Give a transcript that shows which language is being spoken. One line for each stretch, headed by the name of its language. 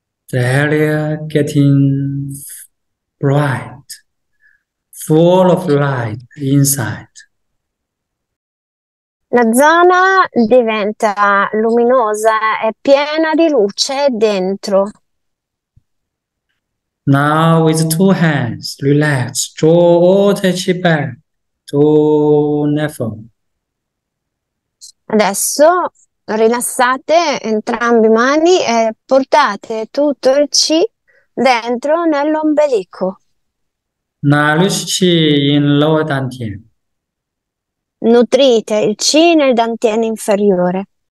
English: The area getting bright, full of light inside.
Italian: La zona diventa luminosa e piena di luce dentro.
English: Now with two hands, relax, draw all the chi back to navel.
Italian: Adesso rilassate entrambi i mani e portate tutto il chi dentro nell'ombelico.
English: Nourish in lower dantian.
Italian: Nutrite il chi nel dantian inferiore.